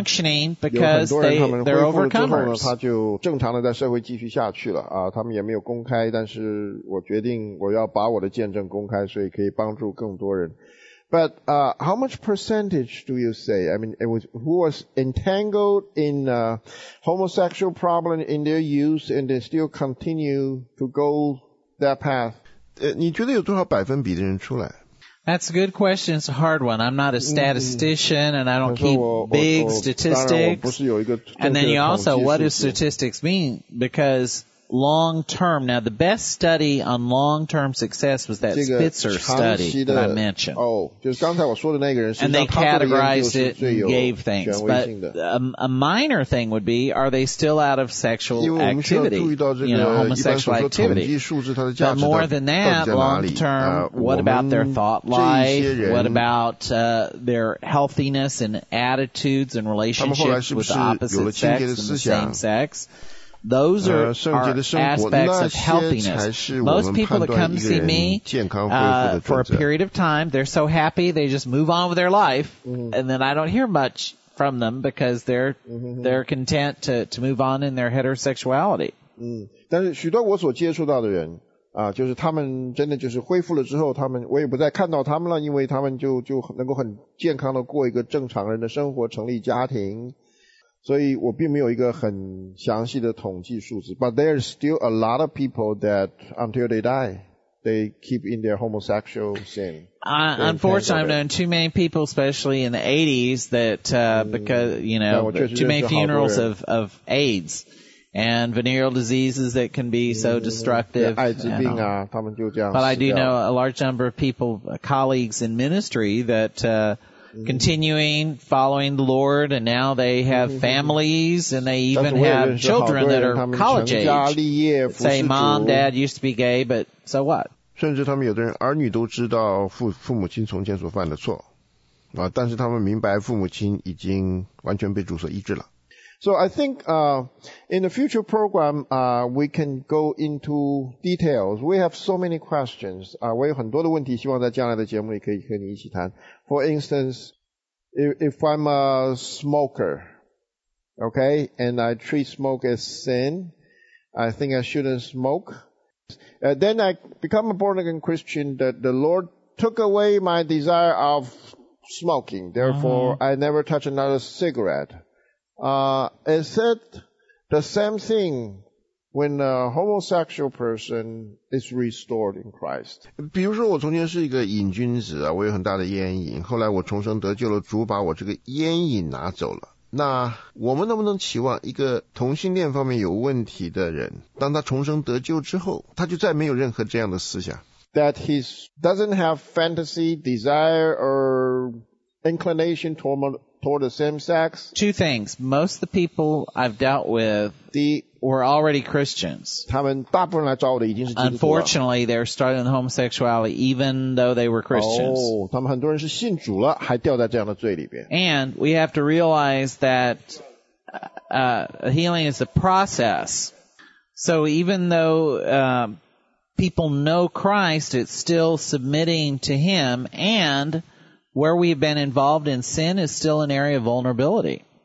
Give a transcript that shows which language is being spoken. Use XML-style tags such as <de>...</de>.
<en>functioning because they're overcomers.</en> <zh>他就正常的在社会继续下去了啊，他们也没有公开，但是我决定我要把我的见证公开，所以可以帮助更多人。</zh> <en>But how much percentage do you say? I mean, who was entangled in homosexual problem in their youth and they still continue to go that path?</en> <zh>你觉得有多少百分比的人出来？</zh> <en>That's a good question. It's a hard one. I'm not a statistician, and I don't keep big statistics. And then you also, what do statistics mean? Because long-term, now the best study on long-term success was that Spitzer study that I mentioned.</en> <zh>Oh, 就是刚才我说的那个人，</zh> <en>and they categorized it and gave things. But a minor thing would be, are they still out of sexual activity? You know, homosexual activity. But more than that, long-term, what about their thought life? What about their healthiness and attitudes and relationships with the opposite sex and the same sex? Those are aspects of healthiness. Most people that come see me for a period of time, they're so happy they just move on with their life, and then I don't hear much from them because they're content to move on in their heterosexuality.</en> <zh>但是许多我所接触到的人啊，就是他们真的就是恢复了之后，他们我也不再看到他们了，因为他们就能够很健康的过一个正常人的生活，成立家庭。所以我并没有一个很详细的统计数字</zh> <en>，but there's still a lot of people that until they die, they keep in their homosexual sin. Unfortunately, I've known too many people, especially in the 80s, that because you know too many funerals of AIDS and venereal diseases that can be so destructive.</en> <zh>艾滋病啊，他们就这样。</zh> <en>But I do know a large number of people, colleagues in ministry that. Continuing following the Lord, and now they have families, and they even have children that are college age. Say, mom, dad used to be gay, but so what?</en> <zh>甚至他们有的人儿女都知道父母亲从前所犯的错，啊，但是他们明白父母亲已经完全被主所医治了。</zh> <en>So I think, in the future program, we can go into details. We have so many questions.</en> <zh>我有很多的问题，希望在将来的节目里可以和你一起谈。</zh> <en>For instance, if I'm a smoker, okay, and I treat smoke as sin, I think I shouldn't smoke. Then I become a born again Christian that the Lord took away my desire of smoking. Therefore, I never touch another cigarette. Is it the same thing when a homosexual person is restored in Christ.</en> <zh>比如说我从前是一个瘾君子啊，我有很大的烟瘾，后来我重生得救了，主把我这个烟瘾拿走了。那我们能不能期望一个同性恋方面有问题的人，当他重生得救之后，他就再没有任何这样的思想？</zh> <en>That he doesn't have fantasy, desire, or inclination toward the same sex? Two things. Most of the people I've dealt with were already Christians.</en> <zh>他们大部分来找我的已经是基督徒。</zh> <en>Unfortunately, they're struggling with homosexuality even though they were Christians.</en> <zh>他们很多人是信主了，还掉在这样的罪里边。</zh> <en>And we have to realize that healing is a process. So even though people know Christ, it's still submitting to Him. And where we've been involved in sin is still an area of vulnerability.</en>